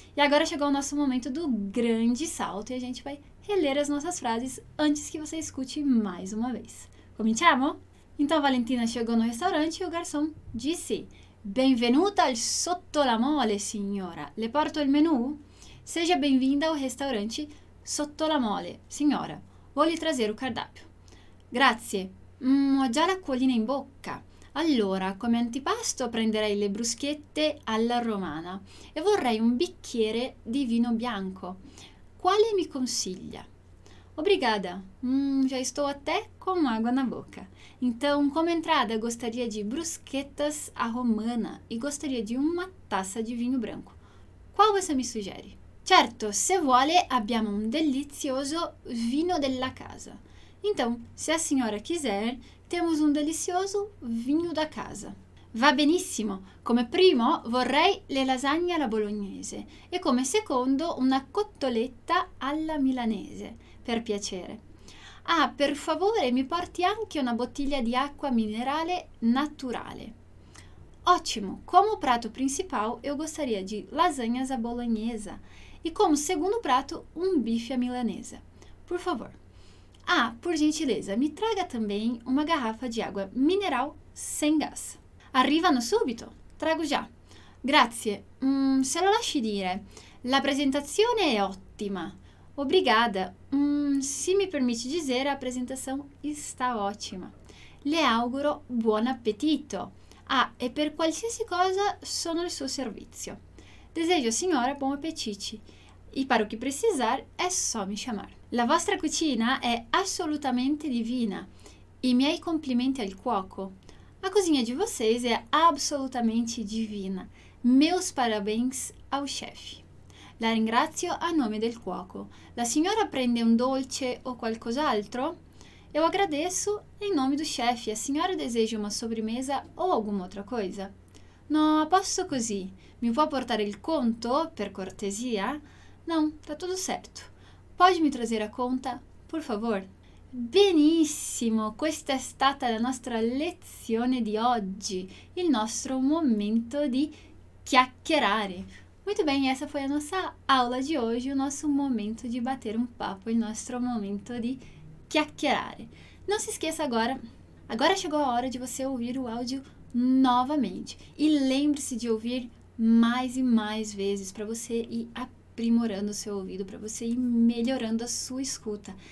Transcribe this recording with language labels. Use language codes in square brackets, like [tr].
[pt] E agora chegou o nosso momento do grande salto e a gente vai reler as nossas frases antes que você escute mais uma vez. [it] Cominciamo? [pt] Então a Valentina chegou no restaurante e o garçom disse: [it] Benvenuta al Sotto la Mole, signora. Le porto il menu? [pt] Seja bem-vinda ao restaurante Sotto la Mole, signora. Vou lhe trazer o cardápio. [it] Grazie. Ho già la acquolina in bocca. Allora, come antipasto prenderei le bruschette alla romana e vorrei un bicchiere di vino bianco. Quale mi consiglia? [pt] Obrigada. Já estou até com água na boca. Então, como entrada, gostaria de bruschettas a romana e gostaria de uma taça de vinho branco. Qual você me sugere? [it] Certo, se vuole abbiamo un delizioso vino della casa. [pt] Então, se a senhora quiser, temos um delicioso vinho da casa. [it] Va benissimo. Come primo vorrei le lasagne alla bolognese e come secondo una cotoletta alla milanese, per piacere. Ah, per favore, mi porti anche una bottiglia di acqua minerale naturale. [pt] Ótimo. Como prato principal, eu gostaria de lasanhas à bolognese e como segundo prato, um bife à milanesa. Por favor. Ah, por gentileza, me traga também uma garrafa de água mineral sem gás. [it] Arrivano subito. [pt] Trago já. [it] Grazie. Se lo lasci dire, la presentazione è ottima. [pt] Obrigada. Se me permite dizer, a apresentação está ótima. [it] Le auguro buon appetito. Ah, e per qualsiasi cosa sono al suo servizio. [pt] Desejo, [it] signora, buon appetito. [pt] E para o que precisar, é só me chamar. [it] La vostra cucina è assolutamente divina. I miei complimenti al cuoco. [pt] A cozinha de vocês é absolutamente divina. Meus parabéns ao chefe. [it] La ringrazio a nome del cuoco. La signora prende un dolce o qualcos'altro? [pt] Eu agradeço em nome do chefe. A senhora deseja uma sobremesa ou alguma outra coisa? [it] No, posso così. Mi può portare il conto, per cortesia? [pt] Não, tá tudo certo. Pode me trazer a conta, por favor? [it] Benissimo, questa è stata la nostra lezione di oggi, il nostro momento di chiacchierare. [pt] Muito bem, essa foi a nossa aula de hoje, o nosso momento de bater um papo, [it] il nostro momento di chiacchierare. [pt] Não se esqueça agora, agora chegou a hora de você ouvir o áudio novamente. E lembre-se de ouvir mais e mais vezes para você ir aprimorando o seu ouvido, para você ir melhorando a sua escuta.